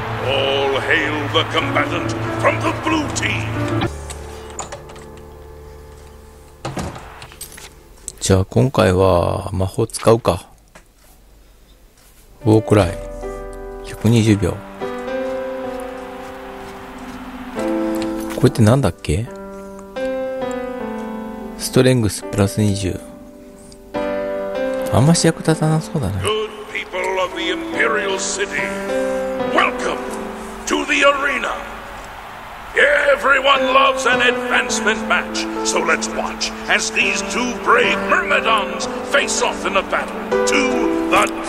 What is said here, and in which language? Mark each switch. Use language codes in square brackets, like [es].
[en] All hail the combatant from the blue team. [ja] じゃあ今回は魔法使うか。ウォークライ120秒。これってなんだっけ、ストレングスプラス20、あんまし役立たなそうだな。 [en] Good people of the Imperial City, welcome to the arena. Everyone loves an advancement match, so let's watch as these two brave myrmidons face off in a battle to the